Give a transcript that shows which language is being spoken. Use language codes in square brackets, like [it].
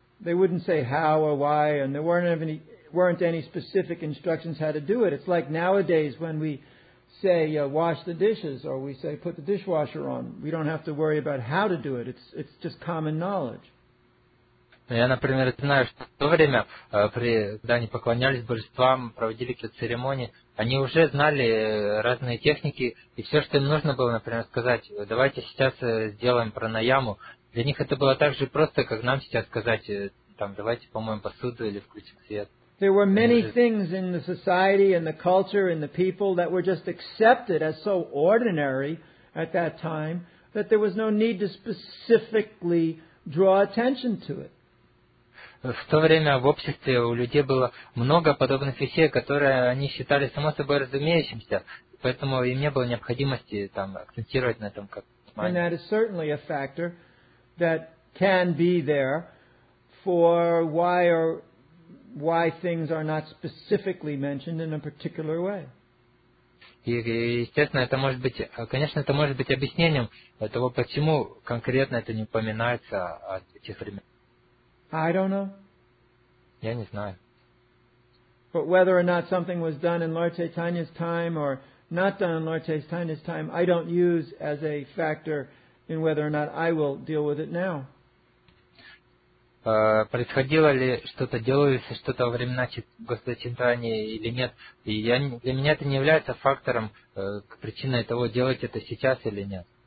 [en] They wouldn't say how or why, and there weren't any specific instructions how to do it. It's like nowadays when we say, wash the dishes, or we say, put the dishwasher on. We don't have to worry about how to do it. It's just common knowledge. [ru] Я, например, знаю, что в то время, когда они поклонялись божествам, проводили какие-то церемонии, они уже знали разные техники, и все, что им нужно было, например, сказать, давайте сейчас сделаем пранаяму, для них это было так же просто, как нам сейчас сказать, там, давайте помоем посуду или включим свет. [en] There were many things in the society, in the culture, in the people that were just accepted as so ordinary at that time that there was no need to specifically draw attention to it. [ru] В то время в обществе у людей было много подобных вещей, которые они считали само собой разумеющимся, поэтому им не было необходимости там акцентировать на этом как внимание. [en] And that is certainly a factor that can be there for why things are not specifically mentioned in a particular way. [ru] И, естественно, это может быть, конечно, это может быть объяснением того, почему конкретно это не упоминается от тех времен. [en] I don't know. [ru] Я не знаю. [en] But whether or not something was done in Lord Chaitanya's time or not done in Lord Chaitanya's time, I don't use as a factor in whether or not I will deal with it now. [ru] Происходило ли что-то, делалось что-то во времена Господа Чайтаньи или нет? И для меня это не является фактором, причиной того, делать это сейчас или нет.